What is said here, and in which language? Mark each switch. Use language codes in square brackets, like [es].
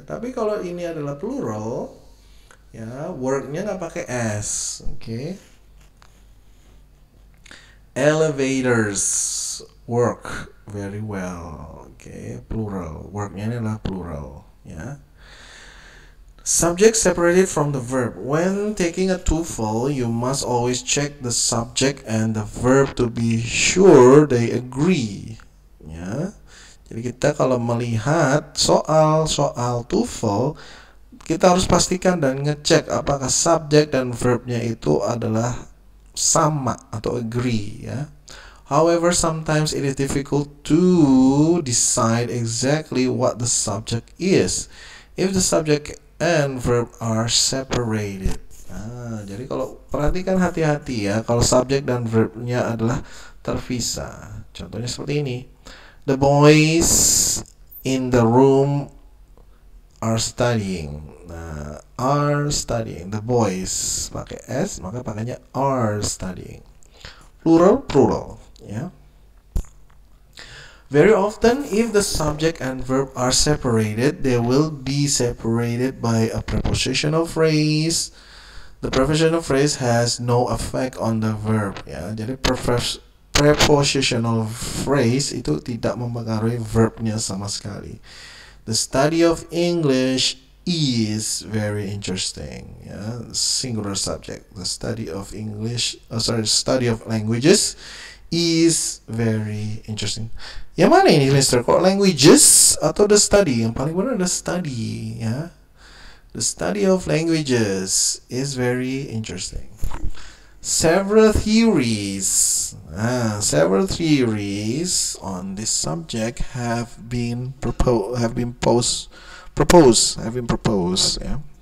[id] Tapi kalau ini adalah plural, ya, work-nya enggak pakai S, oke. [en] Okay. Elevators work very well, oke, okay. [id] Plural, work-nya ini adalah plural, ya. [en] Subject separated from the verb. When taking a TOEFL, you must always check the subject and the verb to be sure they agree. [id] Ya. Jadi kita kalau melihat soal-soal TOEFL, kita harus pastikan dan ngecek apakah subject dan verbnya itu adalah sama atau agree, ya. [en] However, sometimes it is difficult to decide exactly what the subject is. If the subject and verb are separated. [id] Nah, jadi kalau perhatikan hati-hati, ya, kalau subject dan verbnya adalah terpisah. Contohnya seperti ini. [en] The boys in the room are studying. Nah, are studying. The boys [id] pakai S, maka pakainya [en] are studying. [id] Plural, plural, ya. [en] Very often, if the subject and verb are separated, they will be separated by a prepositional phrase. The prepositional phrase has no effect on the verb. [id] Ya, jadi prepositional phrase itu tidak mempengaruhi verbnya sama sekali. [en] The study of English is very interesting. [id] Ya, singular subject. [en] The study of English, study of languages is very interesting. [id] Yang mana ini, Mister? Kok languages atau the study? Yang paling benar adalah study, ya. [en] The study of languages is very interesting. Several theories, several theories on this subject have been proposed, ya.